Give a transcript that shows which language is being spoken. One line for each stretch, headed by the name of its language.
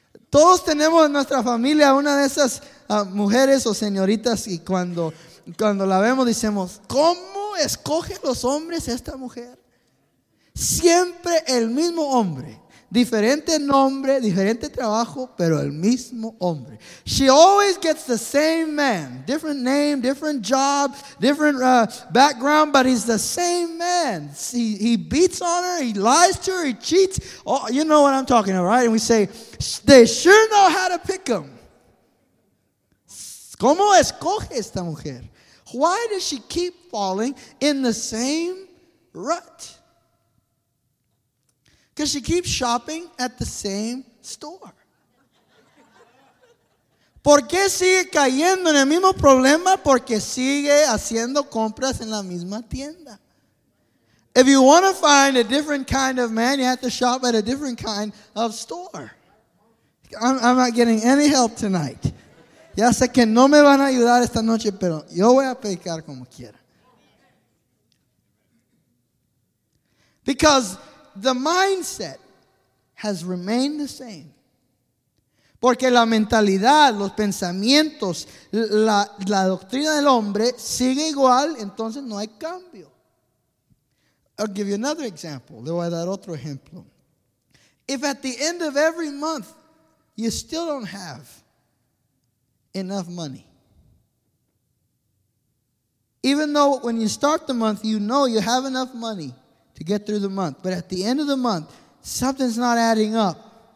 Spanish: Todos tenemos en nuestra familia una de esas mujeres o señoritas y cuando la vemos decimos, ¿cómo escoge los hombres esta mujer? Siempre el mismo hombre. Diferente nombre, diferente trabajo, pero el mismo hombre.
English: She always gets the same man. Different name, different job, different background, but he's the same man. He beats on her, he lies to her, he cheats. Oh, you know what I'm talking about, right? And we say, they sure know how to pick him.
Spanish: ¿Cómo escoge esta mujer?
English: Why does she keep falling in the same rut? Because she keeps shopping at the same store.
Spanish: ¿Por qué sigue cayendo en el mismo problema? Porque sigue haciendo compras en la misma tienda.
English: If you want to find a different kind of man, you have to shop at a different kind of store. I'm not getting any help tonight.
Spanish: Ya sé que no me van a ayudar esta noche, pero yo voy a pecar como quiera.
English: Because the mindset has remained the same.
Spanish: Porque la mentalidad, los pensamientos, la doctrina del hombre sigue igual, entonces no hay cambio.
English: I'll give you another example.
Spanish: Le voy a dar otro ejemplo.
English: If at the end of every month you still don't have enough money, even though when you start the month you know you have enough money to get through the month, but at the end of the month, something's not adding up.